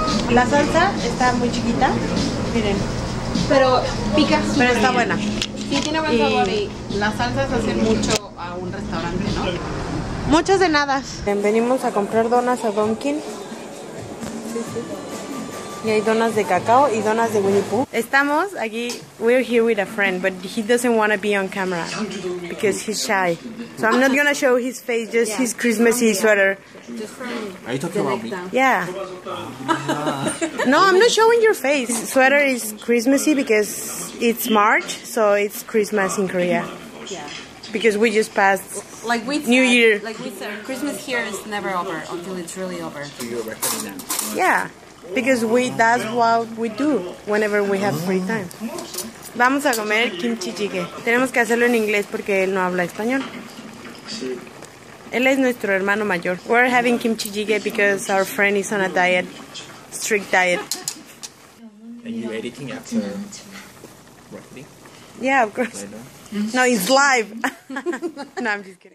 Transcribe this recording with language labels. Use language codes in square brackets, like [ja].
[es] La salsa está muy chiquita, miren, pero pica. Pero está bien. Buena. Sí, tiene buen sabor y las salsas hacen mucho a un restaurante, ¿no? Muchas de nada. Venimos a comprar donas a Dunkin'. Y hay donas de cacao y donas de Winnie Pooh. Estamos aquí, [en] we're here with a friend, but he doesn't want to be on camera because he's shy. So I'm not gonna show his face, just his Christmassy sweater. Are you talking about me? Yeah. No, I'm not showing your face. His sweater is Christmassy because it's March, so it's Christmas in Korea. Yeah. Because we just passed like we New said, Year. Like we said, Christmas here is never over until it's really over. Yeah. Because we, that's what we do whenever we have free time. [es] Vamos a comer kimchi jjigae. Tenemos que hacerlo en inglés porque él no habla español. Él es nuestro hermano mayor. [en] We're having kimchi jjigae because our friend is on a diet, strict diet. And you're editing after recording? Yeah, of course. No, it's live. No, I'm just kidding.